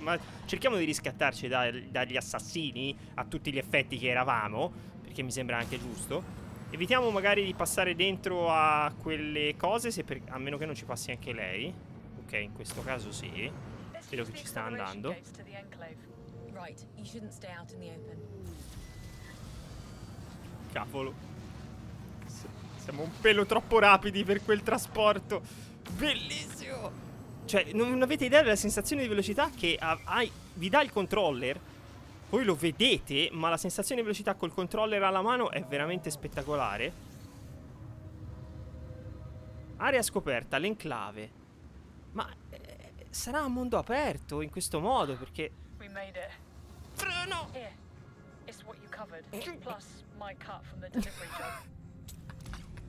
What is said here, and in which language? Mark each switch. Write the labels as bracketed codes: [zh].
[it] Ma cerchiamo di riscattarci dagli assassini a tutti gli effetti che eravamo. Perché mi sembra anche giusto. Evitiamo magari di passare dentro a quelle cose, se per, a meno che non ci passi anche lei. Ok, in questo caso sì. Vedo che ci sta andando. [en] Right, you shouldn't stay out in the open. [it] Cavolo. Siamo un pelo troppo rapidi per quel trasporto. Bellissimo. Cioè, non avete idea della sensazione di velocità che vi dà il controller? Voi lo vedete, ma la sensazione di velocità col controller alla mano è veramente spettacolare. Area scoperta, l'enclave. Ma sarà a mondo aperto in questo modo, perché... [en] We made it. [it] Freno! [en] Here, it's what you covered, plus my cut from the delivery job.